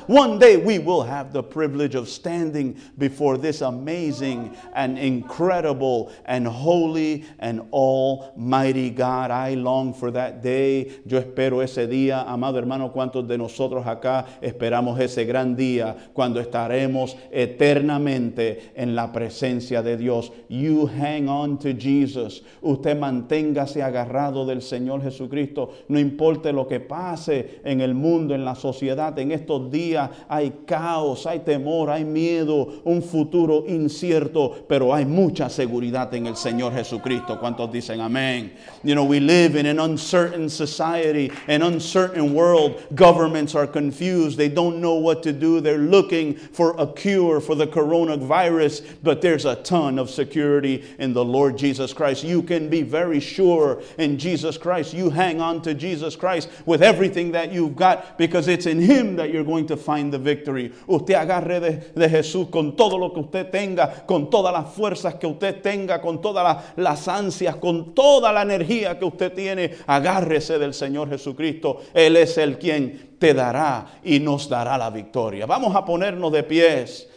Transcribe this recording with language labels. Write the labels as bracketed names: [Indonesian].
[English] One day we will have the privilege of standing before this amazing and incredible and holy and almighty God. I long for that day. [Spanish] Espero ese día, amado hermano, ¿cuántos de nosotros acá esperamos ese gran día cuando estaremos eternamente en la presencia de Dios? [English] You hang on to Jesus. [Spanish] Usted manténgase agarrado del Señor Jesucristo. No importa lo que pase en el mundo, en la sociedad, en estos días hay caos, hay temor, hay miedo, un futuro incierto, pero hay mucha seguridad en el Señor Jesucristo. ¿Cuántos dicen amén? [English] You know, we live in an uncertain society. An uncertain world. Governments are confused. They don't know what to do. They're looking for a cure for the coronavirus, but there's a ton of security in the Lord Jesus Christ. You can be very sure in Jesus Christ. You hang on to Jesus Christ with everything that you've got, because it's in Him that you're going to find the victory. [Spanish] Usted agarre de Jesús con todo lo que usted tenga, con todas las fuerzas que usted tenga, con todas las ansias, con toda la energía que usted tiene. Agárrese del Señor. Señor Jesucristo, Él es el quien te dará y nos dará la victoria. Vamos a ponernos de pies.